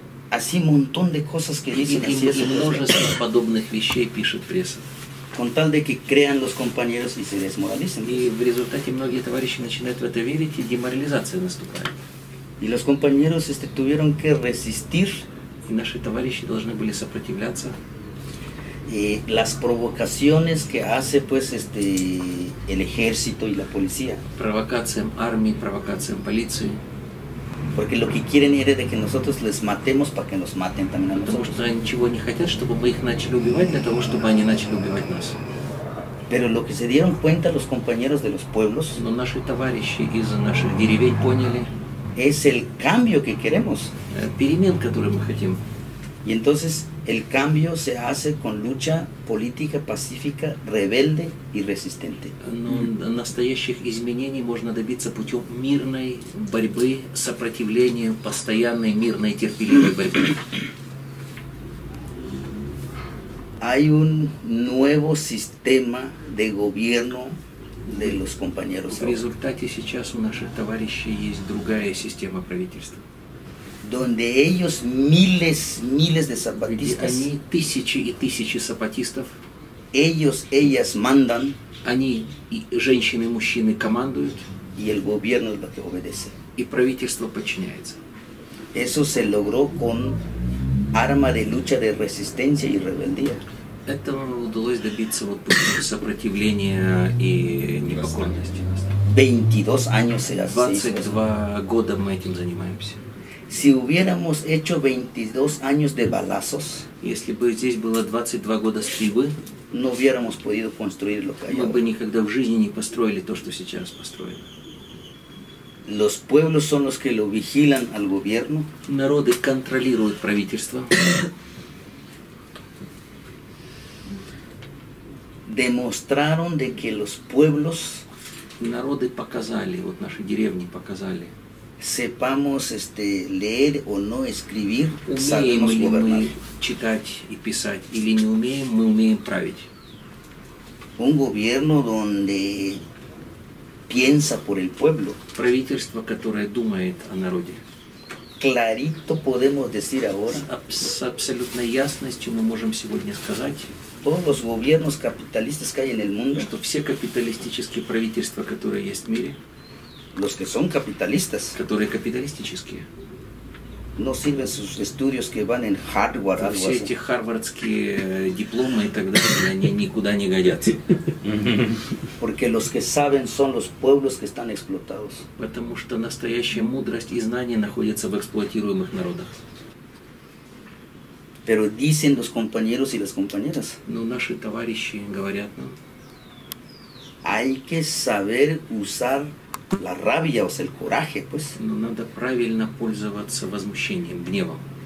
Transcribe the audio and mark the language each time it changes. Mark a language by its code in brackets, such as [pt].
[es] Así montón de cosas que dicen. [ru] И множество подобных вещей пишет пресса. [es] Con tal de que crean los compañeros y se desmoralicen. [ru] И в результате многие товарищи начинают в это верить, и деморализация наступает. [es] Y los compañeros tuvieron que resistir. [ru] Y наши товарищи должны были сопротивляться. [es] Y las provocaciones que hace pues el ejército y la policía. [ru] Провокациям армии, провокациям полиции. [es] Porque lo que quieren es de que nosotros les matemos para que nos maten también a nosotros. [ru] Потому что они ничего не хотят, чтобы мы их начали убивать для того, чтобы они начали убивать нас. [es] Pero lo que se dieron cuenta los compañeros de los pueblos. [ru] Но наши товарищи из наших деревень поняли. [es] Es el cambio que queremos. [ru] Перемен, который мы хотим. [es] Y entonces el cambio se hace con lucha política pacífica, rebelde y resistente. [ru] Но настоящих изменений можно добиться путем мирной борьбы, сопротивления, постоянной мирной терпеливой борьбы. [es] Hay un nuevo sistema de gobierno. De los compañeros. [ru] В результате сейчас у наших товарищей есть другая система правительства. [es] Donde ellos miles de zapatistas. [ru] Они тысячи и тысячи сапатистов. [es] Ellos, ellas mandan. [ru] Они и женщины, и мужчины командуют. [es] Y el gobierno lo que obedece. [ru] И правительство подчиняется. [es] Eso se logró con arma de lucha de resistencia y rebeldía. [ru] Это удалось добиться вот сопротивления и непокорности. [es] 22 años se hace. [ru] 22 года мы этим занимаемся. [es] Si hubiéramos hecho 22 años de balazos, [ru] если бы здесь было 22 года стрельбы, [es] no hubiéramos podido construir lo que [ru] мы бы никогда в жизни не построили то, что сейчас построено. [es] Los pueblos son los que lo vigilan al gobierno. [ru] Народы контролируют правительство. [es] Demostraron de que los pueblos, [ru] народы показали, вот наши деревни показали, [es] sepamos leer o no escribir, [ru] умеем ли мы читать и писать, или не умеем, мы умеем править. [es] Un gobierno donde piensa por el pueblo. [ru] Правительство, которое думает о народе. [es] Clarito podemos decir ahora. [ru] С абсолютной ясностью мы можем сегодня сказать. [es] Todos los gobiernos capitalistas que hay en el mundo, [ru] что все капиталистические правительства, которые есть в мире, [es] los que son capitalistas, [ru] которые капиталистические, [es] no sirven sus estudios que van en Harvard, algo [ru] все [es] así. [ru] Эти харвардские дипломы и так далее, они никуда не годятся. [es] Porque los que saben son los pueblos que están explotados. [ru] Потому что настоящая мудрость и знание находятся в эксплуатируемых народах. [es] Pero dicen los compañeros y las compañeras. [ru] Но наши товарищи говорят нам. [es] Hay que saber usar la rabia, o sea, el coraje, pues. [ru] Но надо правильно пользоваться возмущением, гневом.